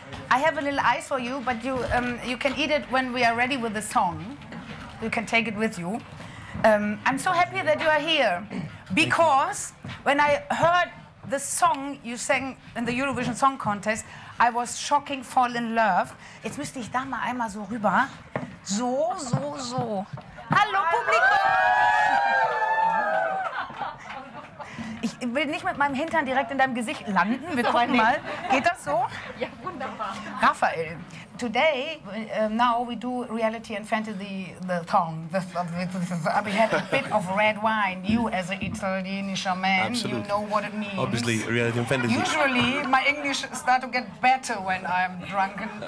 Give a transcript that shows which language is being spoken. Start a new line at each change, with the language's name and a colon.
English: I have a little ice for you, but you can eat it when we are ready with the song. You can take it with you. I'm so happy that you are here, because when I heard the song you sang in the Eurovision Song Contest, I was shocking, fall in love.
German: Jetzt müsste ich da mal einmal so rüber. So. Hallo Publikum! Ich will nicht mit meinem Hintern direkt in deinem Gesicht landen. Wir gucken mal. Geht das so? Ja, wunderbar.
English: Raphael, today, now we do reality and fantasy, the song. We had a bit of red wine. You, as an italienischer man, absolutely. You know what it means. Obviously, reality and fantasy. Usually, my English start to get better when I'm drunk.